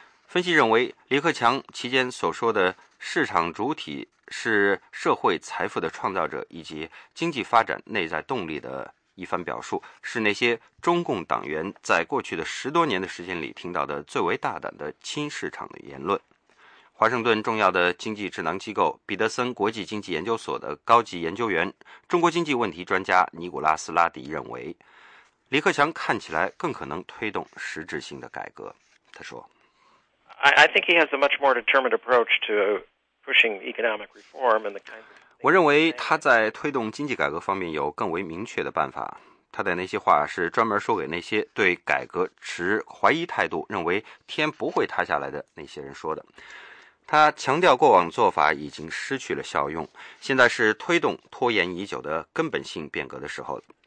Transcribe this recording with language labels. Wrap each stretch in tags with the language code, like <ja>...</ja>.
<zh>分析认为，李克强期间所说的市场主体是社会财富的创造者以及经济发展内在动力的一番表述，是那些中共党员在过去的十多年的时间里听到的最为大胆的亲市场的言论。华盛顿重要的经济智囊机构彼得森国际经济研究所的高级研究员、中国经济问题专家尼古拉斯拉迪认为，李克强看起来更可能推动实质性的改革。他说，</zh> <en>I think he has a much more determined approach to pushing economic reform and the kinds of.</en> <zh>我认为他在推动经济改革方面有更为明确的办法。他的那些话是专门说给那些对改革持怀疑态度、认为天不会塌下来的那些人说的。他强调过往做法已经失去了效用，现在是推动拖延已久的根本性变革的时候。</zh>